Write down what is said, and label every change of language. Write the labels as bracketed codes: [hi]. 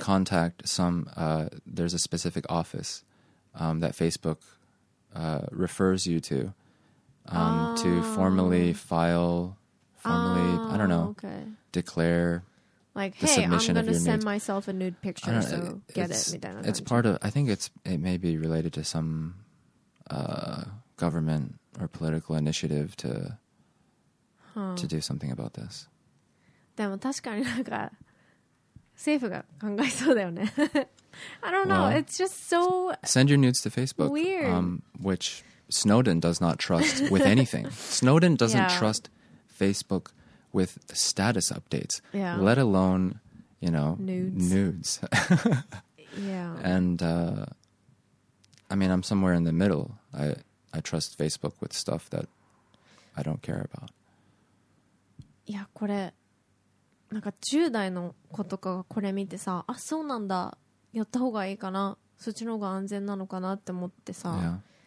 [en] Contact some, there's a specific office that Facebook refers you to to formally file, I don't know, declare like, the submission of your nude. Like, hey, I'm going to send myself a nude picture, so get it's, it. It's part of, I think it may be related to some government or political initiative to do something about this. [ja] でも確かになんか政府が考えそうだよね。 [en] I don't know. It's just so send your nudes to Facebook. Weird. Which Snowden does not trust with anything. Snowden doesn't trust Facebook with status updates. Yeah. Let alone, you know, nudes. Yeah. And I mean, I'm somewhere in the middle. I trust Facebook with stuff that I don't care about. [ja] いやこれなんか10代の子とかがこれ見てさあそうなんだやった方がいいかなそっちの方が安全なのかなって思ってさ、